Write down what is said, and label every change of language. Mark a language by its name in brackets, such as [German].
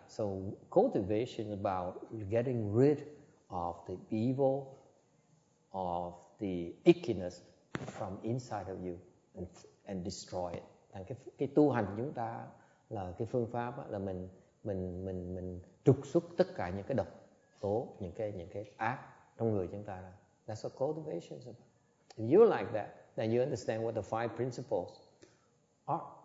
[English] So cultivation is about getting rid of the evil, of the ickiness from inside of you and destroy it. [Vietnamese] Thành cái tu hành của chúng ta là cái phương pháp là mình trục xuất tất cả những cái độc tố, những cái ác trong người chúng ta ra. [English] That's what cultivation is about. If you like that, then you understand what the five principles are.